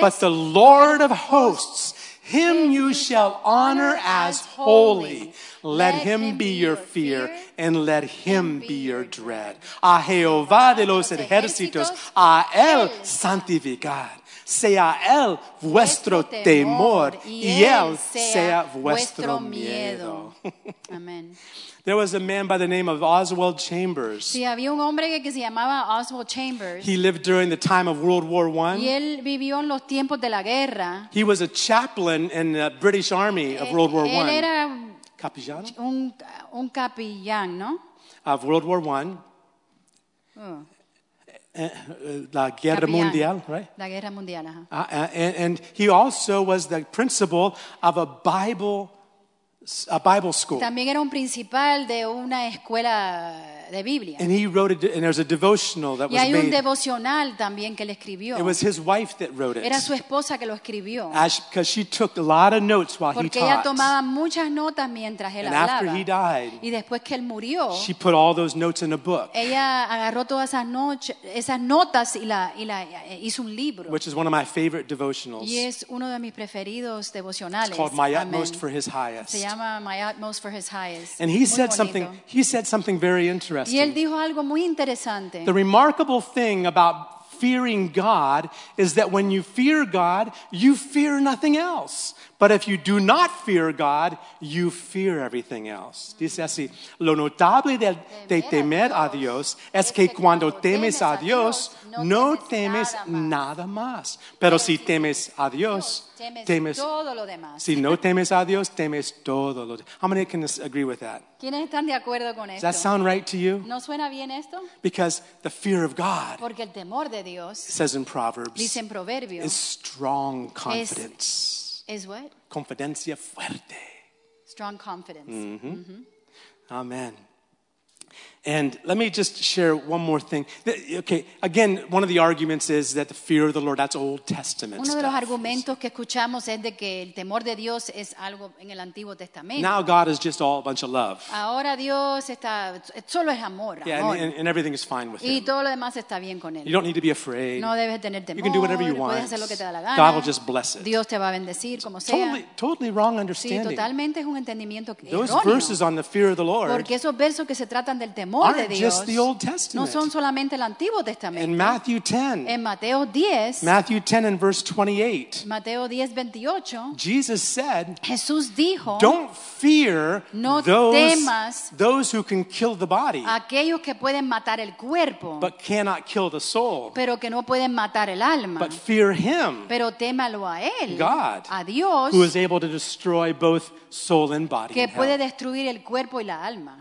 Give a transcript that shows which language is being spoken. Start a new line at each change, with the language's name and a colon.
English: But the Lord of hosts, him you shall honor as holy. Let him be your fear, and let him be your dread.
Spanish: A Jehová de los ejércitos, a él santificad. Sea él vuestro temor, y él sea vuestro miedo.
English: Amen. There was a man by the name of Oswald Chambers.
Spanish: Sí, había un hombre que se llamaba Oswald Chambers.
English: He lived during the time of World War I.
Spanish: Y él vivió en los tiempos de la guerra.
English: He was a chaplain in the British Army of World War
Spanish: él
English: I.
Spanish: Era capillano? Un capillán, ¿no?
English: Of World War I.
Spanish: La Guerra capillán. Mundial,
English: right?
Spanish: La Guerra Mundial, ajá.
English: And he also was the principal of a Bible school.
Spanish: También era un principal de una escuela de Biblia.
English: And he wrote it, and there's a devotional that
Spanish: y
English: was made.
Spanish: Y hay un devocional también que él escribió.
English: It was his wife that wrote it.
Spanish: Era su esposa que lo escribió.
English: Because she took a lot of notes while
Spanish: Porque
English: he taught.
Spanish: Porque ella tomaba muchas notas mientras él
English: and
Spanish: hablaba.
English: And after he died.
Spanish: Y después que él murió.
English: She put all those notes in a book.
Spanish: Ella agarró todas esas notas y hizo un libro.
English: Which is one of my favorite devotionals.
Spanish: Y es uno de mis preferidos devocionales.
English: It's called My Utmost Amen. For His Highest.
Spanish: Se llama My Utmost For His Highest.
English: And he
Spanish: muy
English: said
Spanish: bonito.
English: Something. He said something very interesting.
Spanish: Y él dijo algo muy interesante.
English: The remarkable thing about fearing God is that when you fear God, you fear nothing else. But if you do not fear God, you fear everything else.
Spanish: Dice así, lo notable de temer a Dios es que cuando temes a Dios, no temes nada más. Pero si temes a Dios, temes todo lo demás. Si no temes a Dios, temes todo lo demás.
English: How many can agree with that?
Spanish: ¿Quiénes están de acuerdo con esto?
English: Does that sound right to you?
Spanish: ¿No suena bien esto?
English: Because the fear of God,
Spanish: porque el temor de Dios,
English: says in Proverbs,
Spanish: dice en Proverbios,
English: is strong confidence. Is what?
Spanish: Confidencia fuerte.
English: Strong confidence. Mm-hmm. Mm-hmm. Amen. And let me just share one more thing. Okay, again, one of the arguments is that the fear of the Lord, that's Old Testament stuff.
Spanish: Uno de los argumentos que escuchamos es de que el temor de Dios es algo en el Antiguo Testamento.
English: Now God is just all a bunch of love.
Spanish: Ahora Dios está, solo es amor.
English: Yeah, and everything is fine with him.
Spanish: Y todo lo demás está bien con él.
English: You don't need to be afraid.
Spanish: No debes tener temor.
English: You can do whatever you want.
Spanish: Puedes hacer lo que te da la gana.
English: God will just bless it.
Spanish: Dios te va a bendecir como sea.
English: Totally wrong understanding.
Spanish: Sí, totalmente es un entendimiento erróneo.
English: Those verses on the fear of the Lord.
Spanish: Porque esos versos que se tratan del temor.
English: Aren't just the Old Testament.
Spanish: No son solamente el Antiguo Testamento.
English: In Matthew 10.
Spanish: En Mateo 10.
English: Matthew 10 and verse 28.
Spanish: Mateo 10, 28.
English: Jesus said.
Spanish: Jesús dijo.
English: Don't fear
Spanish: no
English: those who can kill the body.
Spanish: Aquellos que pueden matar el cuerpo.
English: But cannot kill the soul.
Spanish: Pero que no pueden matar el alma.
English: But fear him.
Spanish: Pero témalo a él.
English: God.
Spanish: A Dios.
English: Who is able to destroy both soul and body.
Spanish: Que puede destruir el cuerpo y la alma.